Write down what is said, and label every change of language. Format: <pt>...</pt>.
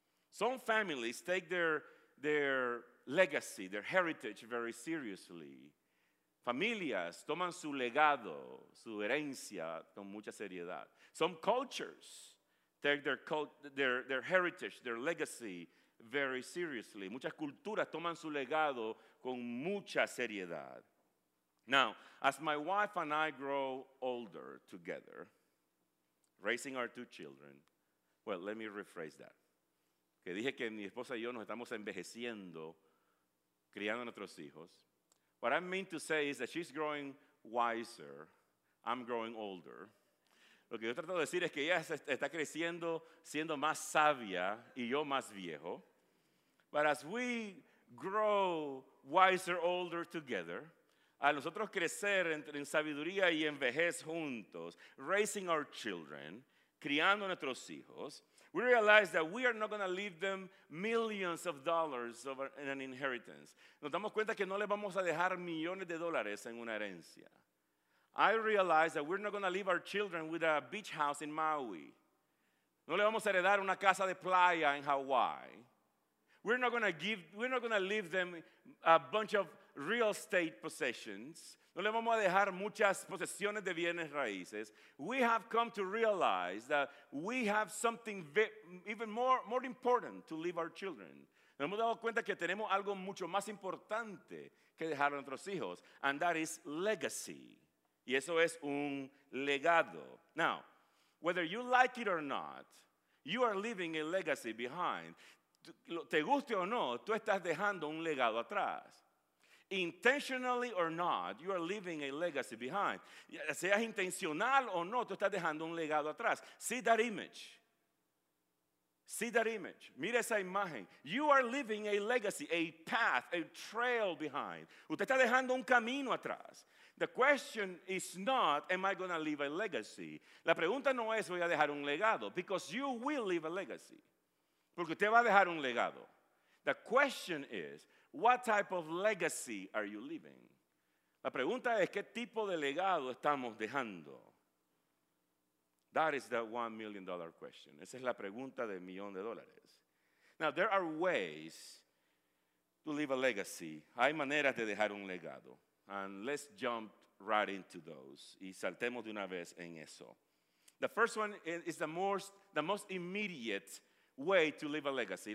<en>Some families take their legacy, their heritage very seriously.</en> <es>Familias toman su legado, su herencia con mucha seriedad.</es> <en>Some cultures take their heritage, their legacy very seriously.</en> <es>Muchas culturas toman su legado con mucha seriedad.</es> <en>Now, as my wife and I grow older together, raising our two children, well, let me rephrase that.</en> <es>Que dije que mi esposa y yo nos estamos envejeciendo criando a nuestros hijos.</es> <en>What I mean to say is that she's growing wiser, I'm growing older.</en> <es>Lo que yo trato de decir es que ella está creciendo, siendo más sabia y yo más viejo.</es> <en>But as we grow wiser, older together,</en> <es>al nosotros crecer en sabiduría y en vejez juntos,</es> <en>raising our children,</en> <es>criando nuestros hijos,</es> <en>we realize that we are not going to leave them millions of dollars in an inheritance.</en> <es>Nos damos cuenta que no les vamos a dejar millones de dólares en una herencia.</es> <en>I realize that we're not going to leave our children with a beach house in Maui.</en> <es>No le vamos a heredar una casa de playa en Hawaii.</es> <en>We're not going to leave them a bunch of real estate possessions.</en> <es>No le vamos a dejar muchas posesiones de bienes raíces.</es> <en>We have come to realize that we have something even more important to leave our children.</en> <es>Nos hemos dado cuenta que tenemos algo mucho más importante que dejar a nuestros hijos,</es> <en>and that is legacy.</en> <es>Y eso es un legado.</es> <en>Now, whether you like it or not, you are leaving a legacy behind.</en> <es>Te guste o no, tú estás dejando un legado atrás.</es> <en>Intentionally or not, you are leaving a legacy behind.</en> <es>Seas intencional o no, tú estás dejando un legado atrás.</es> <en>See that image. See that image.</en> <es>Mira esa imagen.</es> <en>You are leaving a legacy, a path, a trail behind.</en> <es>Usted está dejando un camino atrás.</es> <en>The question is not, am I going to leave a legacy?</en> <es>La pregunta no es, voy a dejar un legado.</es> <en>Because you will leave a legacy.</en> <es>Porque usted va a dejar un legado.</es> <en>The question is, what type of legacy are you leaving?</en> <es>La pregunta es, ¿qué tipo de legado estamos dejando?</es> <en>That is the $1 million question.</en> <es>Esa es la pregunta del millón de dólares.</es> <en>Now, there are ways to leave a legacy.</en> <es>Hay maneras de dejar un legado.</es> <en>And let's jump right into those.</en> <es>Y saltemos de una vez en eso.</es> <en>The first one is the most immediate way to leave a legacy.</en>